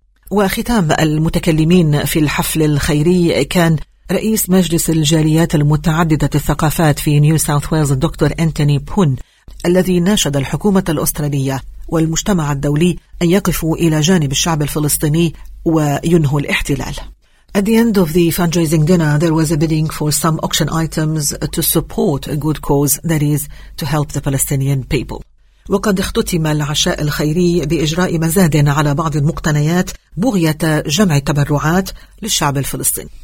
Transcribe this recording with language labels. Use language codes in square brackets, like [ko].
[ar] وختام المتكلمين في الحفل الخيري كان رئيس مجلس الجاليات المتعددة الثقافات في نيو ساوث ويلز الدكتور أنتوني بون، الذي ناشد الحكومة الأسترالية والمجتمع الدولي أن يقفوا إلى جانب الشعب الفلسطيني وينهوا الاحتلال. [en] At the end of the fundraising dinner, there was a bidding for some auction items to support a good cause, that is, to help the Palestinian people. [ar] وقد اختتم العشاء الخيري بإجراء مزاد على بعض المقتنيات بغية جمع التبرعات للشعب الفلسطيني.